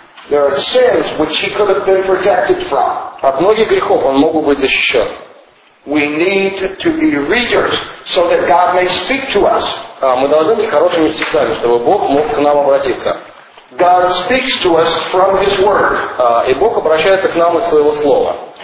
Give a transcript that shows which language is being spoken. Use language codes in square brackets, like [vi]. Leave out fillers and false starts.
[en] There are sins which he could have been protected from. [ru] От многих грехов он мог бы быть защищен. [en] We need to be readers so that God may speak to us. [ru] Мы должны быть хорошими читателями, чтобы Бог мог к нам обратиться. [en] God speaks to us from His Word. [ru] И Бог обращается к нам из Своего Слова.